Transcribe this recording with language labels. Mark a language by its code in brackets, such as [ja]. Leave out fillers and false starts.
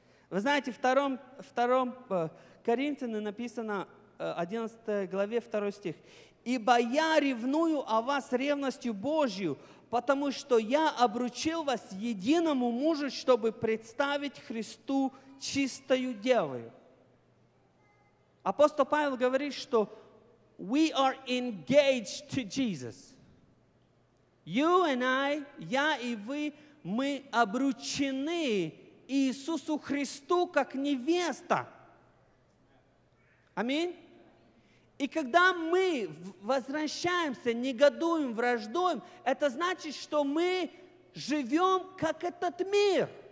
[ru] Вы знаете, в 2 Коринфянам написано, 11 главе, 2 стих. «Ибо я ревную о вас ревностью Божью, потому что я обручил вас единому мужу, чтобы представить Христу чистою девою». Апостол Павел говорит, что [en] «We are engaged to Jesus». «You and I», [ru] «Я и вы», «Мы обручены Иисусу Христу, как невеста». Аминь. И когда мы возвращаемся, негодуем, враждуем, это значит, что мы живем, как этот мир.